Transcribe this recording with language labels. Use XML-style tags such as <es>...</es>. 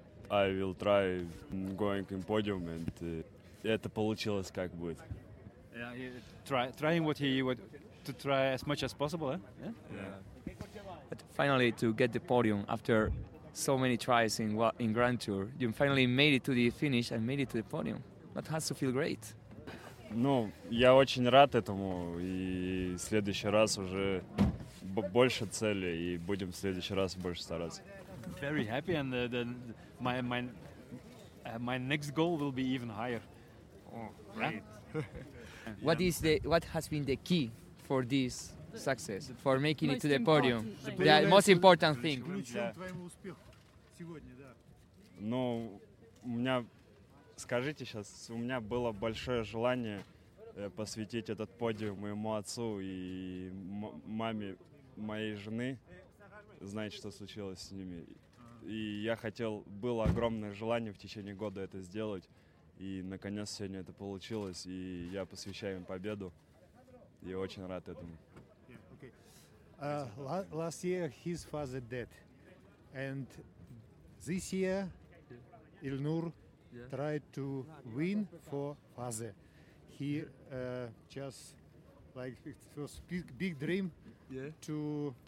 <en>I will try going in podium, and</en> <ru>это получилось как будет.</ru> <en>Yeah, trying what he would to try as much as possible. Eh? Yeah. But finally, to get the podium after so many tries in Grand Tour, you finally made it to the finish and made it to the podium. That has to feel great.</en> <ru>Ну, я очень рад этому, и в следующий раз уже больше цели, и будем в следующий раз больше стараться.</ru> <en>Very happy, and my next goal will be even higher. Oh, great. Yeah. What has been the key for this success, for making it to the podium? The most important thing.</en> <ru>Ну, у меня, скажите сейчас, у меня было большое желание посвятить этот подиум моему отцу и маме моей жены, знаете, что случилось с ними. И я хотел, было огромное желание в течение года это сделать, и наконец сегодня это получилось, и я посвящаю им победу, и очень рад этому.</ru> <en>Last year his father dead, and this year Ильнур tried to win for father. He just like it was big dream to</en>